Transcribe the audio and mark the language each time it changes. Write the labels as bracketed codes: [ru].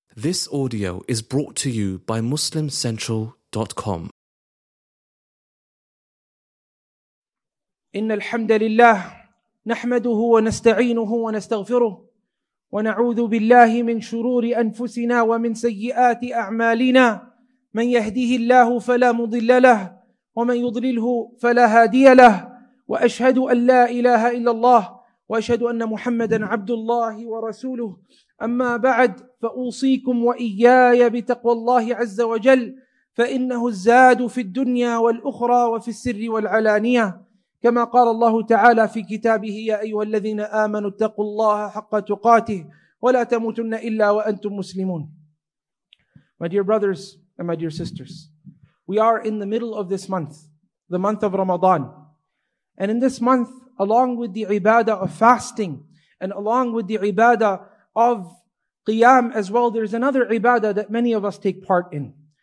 [en] This audio is brought to you by MuslimCentral.com. [ar] إن الحمد لله نحمده ونستعينه ونستغفره ونعوذ بالله من شرور أنفسنا ومن سيئات أعمالنا من يهده الله فلا مضل له ومن يضلله فلا هادي له وأشهد أن لا إله إلا الله وأشهد أن محمدا عبد الله ورسوله أما بعد فأوصيكم وإياي بتقوى الله عز وجل فإنه الزاد في الدنيا والأخرى وفي السر والعلانية كما قال الله تعالى في كتابه يا أيها الذين آمنوا اتقوا الله حق تقاته ولا تموتن إلا وأنتم مسلمون. [en] My dear brothers and my dear sisters, we are in the middle of this month, the month of Ramadan. And in this month, along with the ibadah of fasting and along with the ibadah of Qiyam as well, there is another ibadah that many of us take part in.